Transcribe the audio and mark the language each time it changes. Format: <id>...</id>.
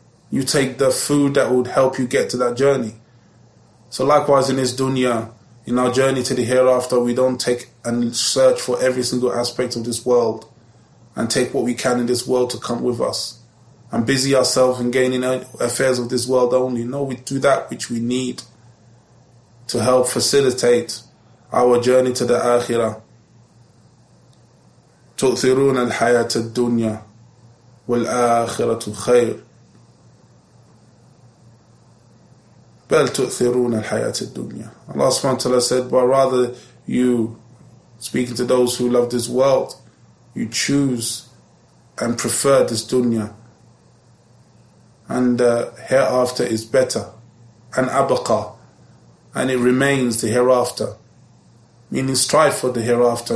<en>You take the food that would help you get to that journey. So likewise in this dunya, in our journey to the hereafter, we don't take and search for every single aspect of this world and take what we can in this world to come with us and busy ourselves in gaining affairs of this world only. No, we do that which we need to help facilitate our journey to the Akhirah.</en> <ar>تؤثرون الحياة الدنيا والآخرة خير بل تؤثرون الحياة الدنيا.</ar> <en>Allah subhanahu wa ta'ala said, but rather you, speaking to those who love this world, you choose and prefer this dunya, and the hereafter is better, and abqa, and it remains the hereafter, meaning strive for the hereafter.</en>